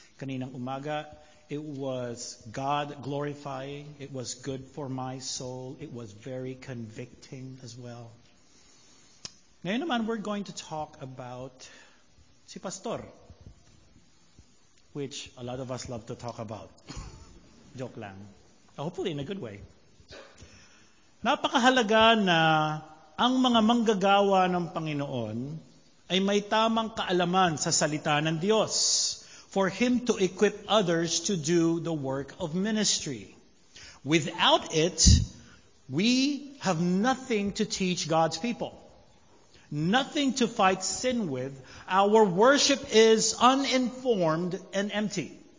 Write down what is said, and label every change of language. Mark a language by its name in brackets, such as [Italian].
[English] Kaninang umaga, it was God glorifying. It was good for my soul. It was very convicting as well. Ngayon naman, we're going to talk about si Pastor, which a lot of us love to talk about. Joke lang. Hopefully in a good way. [Filipino] Napakahalaga na ang mga manggagawa ng Panginoon ay may tamang kaalaman sa salita ng Diyos for Him to equip others to do the work of ministry. [English] Without it, we have nothing to teach God's people. Nothing to fight sin with. Our worship is uninformed and empty.